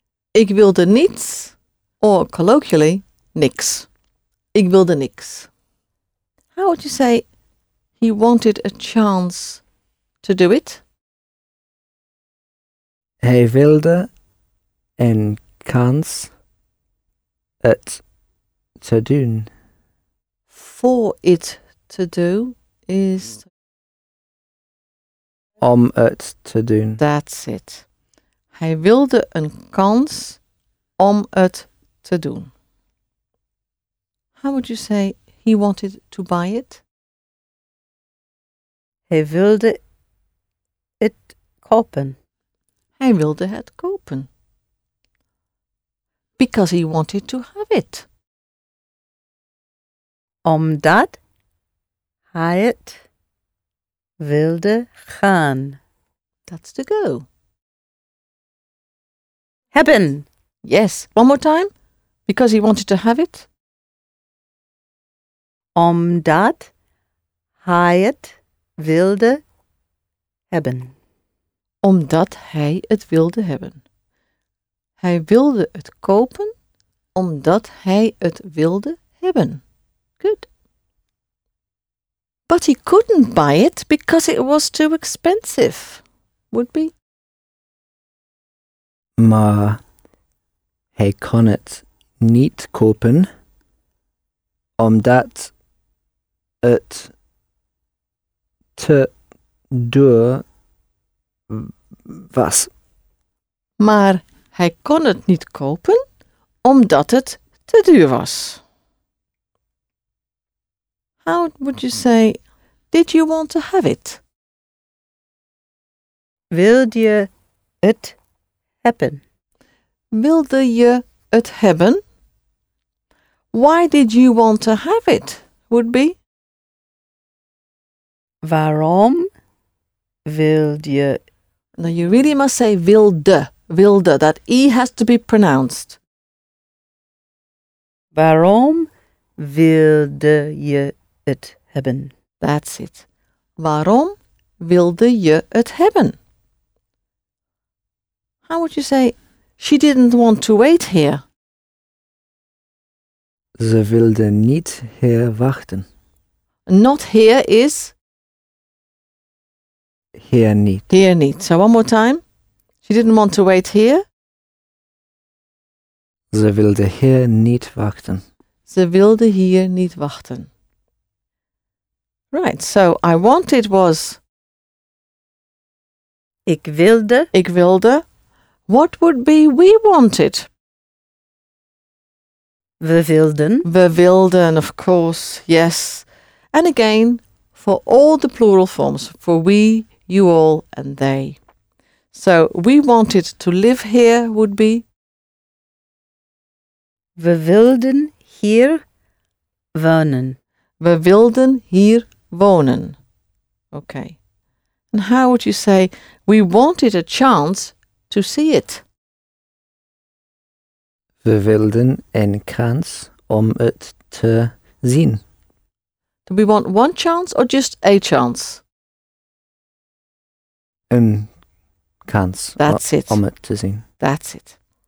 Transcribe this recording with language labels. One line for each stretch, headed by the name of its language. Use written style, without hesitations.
Dutch: Ik wilde niets,
English: or colloquially,
Dutch: niks. Ik wilde niks.
English: How would you say, he wanted a chance to do it?
Dutch: Hij wilde een kans het te doen.
English: For it to do is...
Dutch: Om het te doen.
English: That's it.
Dutch: Hij wilde een kans om het te doen.
English: How would you say he wanted to buy it?
Dutch: Hij wilde het kopen. Hij wilde het kopen.
English: Because he wanted to have it.
Dutch: Omdat hij het wilde gaan.
English: That's to go.
Dutch: Hebben.
English: Yes. One more time. Because he wanted to have it.
Dutch: Omdat hij het wilde hebben. Omdat hij het wilde hebben. Hij wilde het kopen omdat hij het wilde hebben.
English: Good. But he couldn't buy it because it was too expensive. Would be.
Dutch: Maar hij kon het niet kopen omdat het te duur was. Maar hij kon het niet kopen omdat het te duur was.
English: How would you say, did you want to have it?
Dutch: Wilde je het hebben? Wilde je het hebben?
English: Why did you want to have it? Would be.
Dutch: Waarom wilde je?
English: Now you really must say wilde, wilde. That E has to be pronounced.
Dutch: Waarom wilde je het hebben?
English: That's it.
Dutch: Waarom wilde je het hebben?
English: How would you say, she didn't want to wait here?
Dutch: Ze wilde niet hier wachten.
English: Not here is?
Dutch: Hier niet. Hier niet.
English: So one more time. She didn't want to wait here.
Dutch: Ze wilde hier niet wachten. Ze wilde hier niet wachten.
English: Right, so I wanted was.
Dutch: Ik wilde. Ik wilde.
English: What would be we wanted?
Dutch: We wilden. We wilden,
English: of course, yes. And again, for all the plural forms, for we, you all, and they. So we wanted to live here would be.
Dutch: We wilden hier wonen. We wilden hier wonen. Okay.
English: And how would you say, we wanted a chance to see it?
Dutch: We wilden een kans om het te zien.
English: Do we want one chance or just a chance?
Dutch: Een kans.
English: That's it.
Dutch: Om het te zien.
English: That's it.